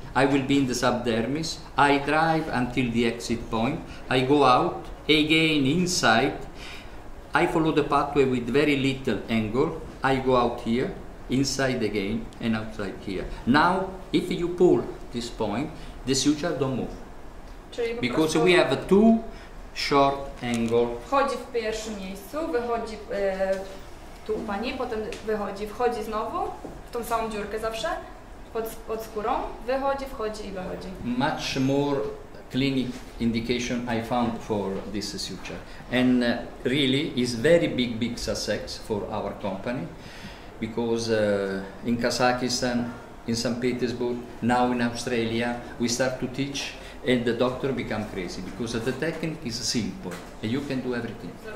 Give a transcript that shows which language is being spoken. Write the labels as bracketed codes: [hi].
[en] I will be in the subdermis, I drive until the exit point, I go out, again inside, I follow the pathway with very little angle, I go out here, inside again, and outside here. Now, if you pull this point, the suture don't move. Because we have two short angle. [pl] Wchodzi w pierwszym miejscu, wychodzi tu pani, potem wychodzi, wchodzi znowu, w tą samą dziurkę zawsze. Pod skórą, wychodzi, wchodzi i wychodzi. [en] Much more clinic indication I found for this suture. And really is very big success for our company because in Kazakhstan, in St. Petersburg, now in Australia, we start to teach and the doctor become crazy because the technique is simple and you can do everything.